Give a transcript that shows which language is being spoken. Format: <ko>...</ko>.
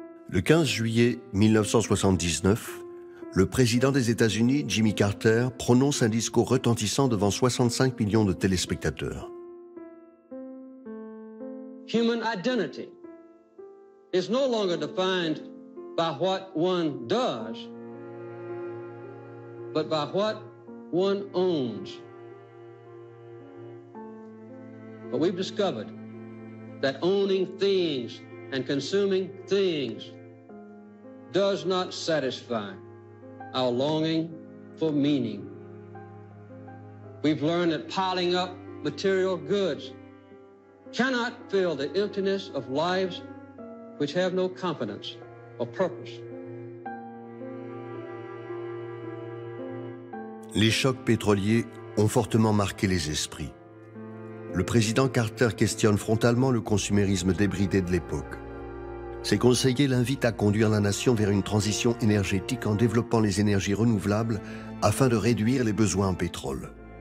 <fr>Le 15 juillet 1979, le président des États-Unis, Jimmy Carter, prononce un discours retentissant devant 65 millions de téléspectateurs.</fr> <en>Human identity is no longer defined by what one does, but by what one owns. But we've discovered that owning things and consuming things does not satisfy our longing for meaning. We've learned that piling up material goods cannot fill the emptiness of lives which have no confidence or purpose.</en> <fr>Les chocs pétroliers ont fortement marqué les esprits. Le président Carter questionne frontalement le consumérisme débridé de l'époque. Ses conseillers l'invitent à conduire la nation vers une transition énergétique en développant les énergies renouvelables afin de réduire les besoins en pétrole.</fr>